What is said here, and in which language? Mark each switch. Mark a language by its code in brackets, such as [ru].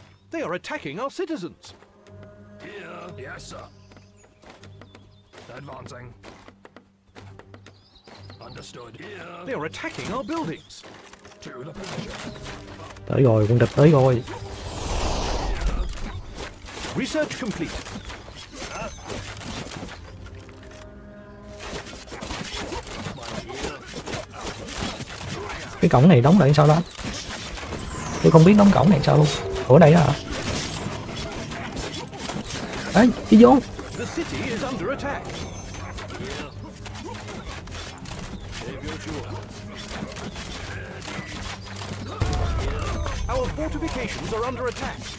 [en] They are attacking our citizens. Yes, sir. Advancing. Understood. They are attacking our buildings. To the pleasure. [vi] Tới rồi, quân địch tới rồi. [en] Research complete. [vi] Cái cổng này đóng lại sao đó? Tôi không biết đóng cổng này sao luôn. Ở đây à? Ê, đi vô. [en] The city is under attack. Our fortifications are under attack.